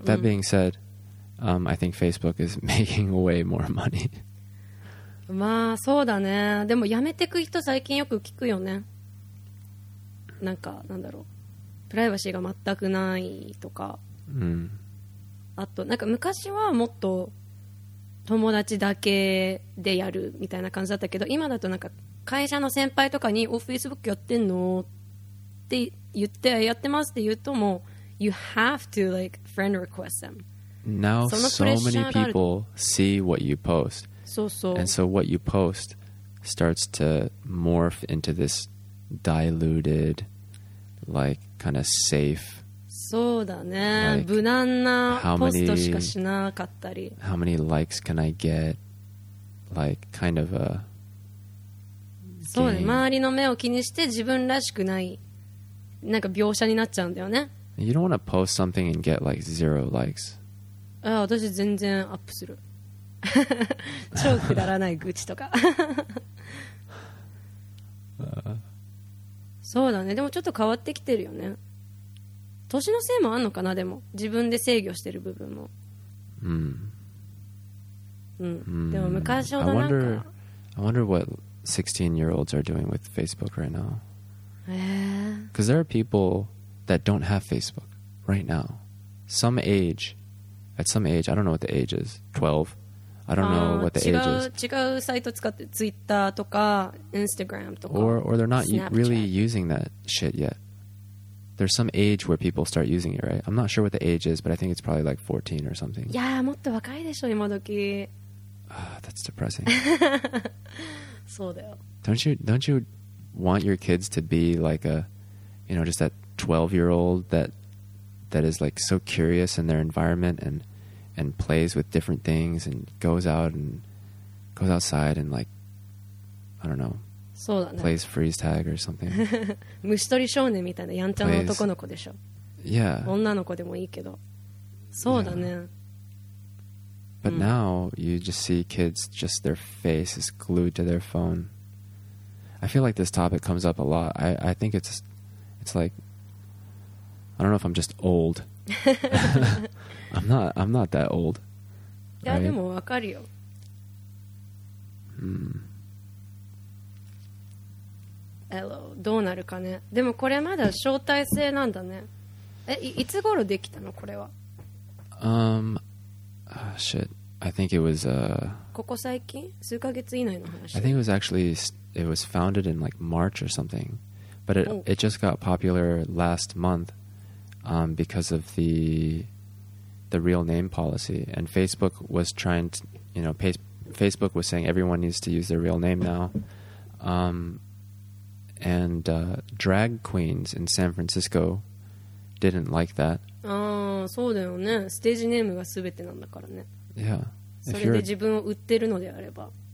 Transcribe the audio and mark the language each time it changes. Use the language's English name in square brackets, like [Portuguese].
[English] That being said, I think Facebook is making way more money. [Japanese] まあそうだね。でもやめてく人最近よく聞くよね。なんかなんだろう、プライバシーが全くないとか、うん、あとなんか昔はもっと友達だけでやるみたいな感じだったけど、今だとなんか会社の先輩とかに「お、Facebook やってんの?」って言って「やってます」って言うともう [English] 「You have to like friend request them」。 Now so many people see what you post. So, so. And so what you post starts to morph into this diluted, like, kind of safe. [Japanese] そうだね。無難なポストしかしなかったり。 [English] How many likes can I get? Like, kind of a game. [Japanese] そうね。周りの目を気にして自分らしくない、なんか描写になっちゃうんだよね。 [English] You don't want to post something and get like zero likes. [Japanese] ああ私全然アップする超くだらない愚痴とかそうだね。でもちょっと変わってきてるよね。年のせいもあんのかな。でも自分で制御してる部分も、うん、うん。でも昔ほどなんか [English] I wonder what 16 year olds are doing with Facebook right now. Because there are people that don't have Facebook right now. Some ageAt some age, I don't know what the age is. 12. I don't know what the age is. [Japanese] 違うサイト使って Twitter とか Instagram とか [English] Or they're not really using that shit yet. There's some age where people start using it, right? I'm not sure what the age is, but I think it's probably like 14 or something. [Japanese] いやもっと若いでしょ今時。 [English] That's depressing. [Japanese] そうだよ。 [English] Don't you want your kids to be like a, you know, just that 12 year old that is like so curious in their environment and plays with different things and goes outside and like, I don't know. [Japanese] そうだね。 [English] Plays freeze tag or something. [Japanese] 虫捕り少年みたいなやんちゃな男の子でしょ。 [English] Plays, yeah. [Japanese] 女の子でもいいけど。そうだね。Yeah. [English] But now you just see kids, just their face is glued to their phone. I feel like this topic comes up a lot. I think it's like,I don't know if I'm just old. I'm not that old. [Japanese] いや、 [English] right? [Japanese] でもわかるよ。 Hello, どうなるかね。でもこれまだ招待制なんだね。え、いつ頃できたのこれは。 [English] Shit. I think it was [Japanese] ここ最近？数ヶ月以内の話。 [English] I think it was founded in like March or something. But it just got popular last month. Because of the real name policy, and Facebook was trying to, you know, Facebook was saying everyone needs to use their real name now. Drag queens in San Francisco didn't like that. [Japanese] Ah, そうだよね。ステージネームがすべてなんだからね。 [English] Yeah. [Japanese] それで自分を売ってるのであれば。